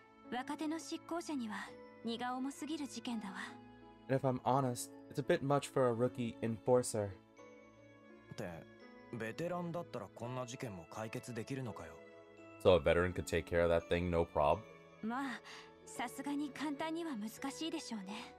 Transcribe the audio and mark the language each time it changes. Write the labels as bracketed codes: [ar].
[ja] 若手の執行者には荷が重すぎる事件だわ。 [en] If I'm honest, it's a bit much for a rookie enforcer. [ja] ベテランだったらこんな事件も解決できるのかよ。 [en] So a veteran could take care of that thing, no prob? [ja] まあ、さすがに簡単には難しいでしょうね。